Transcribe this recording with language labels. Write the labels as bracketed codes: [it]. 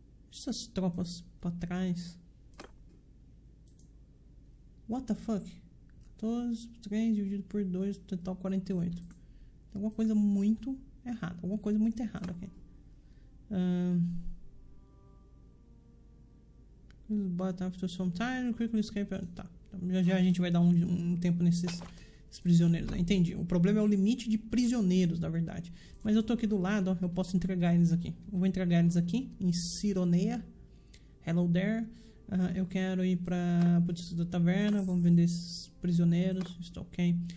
[pt] Deixa essas tropas pra trás. [en] What the fuck? [pt] 14, 3 dividido por 2, total 48. Tem alguma coisa muito errada. Alguma coisa muito errada aqui. [en] But after some time, quickly escape. [pt] Tá. Já já a gente vai dar um tempo nesses prisioneiros. Entendi. O problema é o limite de prisioneiros, na verdade. Mas eu tô aqui do lado, ó. Eu posso entregar eles aqui. Eu vou entregar eles aqui em Sironeia. [en] Hello there. [pt] Eu quero ir para a Putz da Taverna. Vamos vender esses prisioneiros. Está ok.